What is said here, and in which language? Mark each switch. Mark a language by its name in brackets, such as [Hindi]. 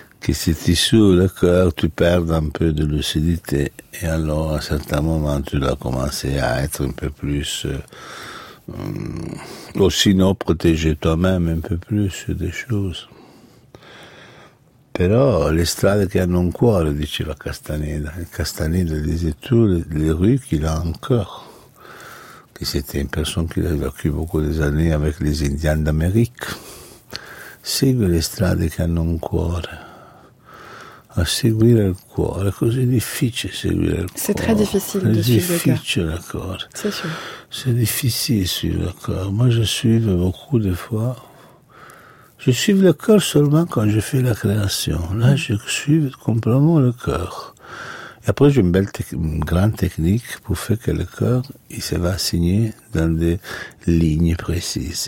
[French] que si tu s'ouvres le cœur, tu perds un peu de lucidité. Et alors, à un certain moment, tu dois commencer à être un peu plus... ou sinon, protéger toi-même un peu plus des choses. [Italian] Però le strade che hanno un cuore, diceva Castaneda. [French] Castaneda [Italian] disse tutte le [French] rue qu'il a un cœur. Che c'était une personne qui l'a vécu beaucoup des années avec les Indiens d'Amérique. [Italian] Segue le strade che hanno un cuore. A seguire il cuore. È così difficile seguire il cuore. [French] C'est très difficile de suivre le cœur. Difficile, d'accord. C'est sûr. C'est difficile suivre le cœur. Moi, je suis beaucoup de fois. Je suis le cœur seulement quand je fais la création. Là, je suis complètement le cœur. Et après, j'ai une grande technique pour faire que le cœur, il se va signer dans des lignes précises.